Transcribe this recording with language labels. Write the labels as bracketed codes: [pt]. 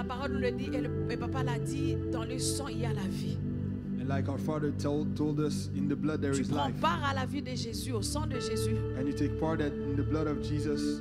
[fr] Nous le dit et le papa l'a dit, dans le sang il y a la vie. [en] And like our father told us, in the blood there [fr] tu [en] is life. [fr] Tu prends part à la vie de Jésus, au sang de Jésus. [en] And you take part in the blood of Jesus.